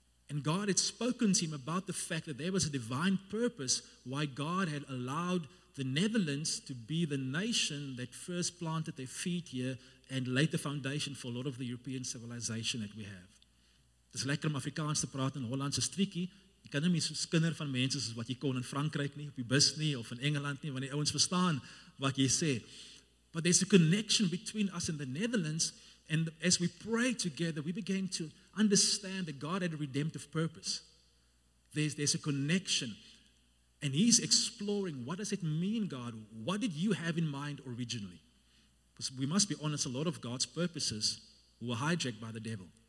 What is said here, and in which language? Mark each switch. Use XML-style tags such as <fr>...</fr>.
<en>And God had spoken to him about the fact that there was a divine purpose why God had allowed the Netherlands to be the nation that first planted their feet here and laid the foundation for a lot of the European civilization that we have.</en> <af>Dis lekker om Afrikaans te praat in Hollandse streekie. Jy kan nie meer so skinder van mense soos wat jy kon in Frankryk nie, op die bus nie, of in Engeland nie, want die ouens verstaan wat jy sê.</af> <en>But there's a connection between us and the Netherlands, and as we pray together, we begin to understand that God had a redemptive purpose. There's a connection, and he's exploring, what does it mean, God? What did you have in mind originally? Because we must be honest, a lot of God's purposes were hijacked by the devil.</en>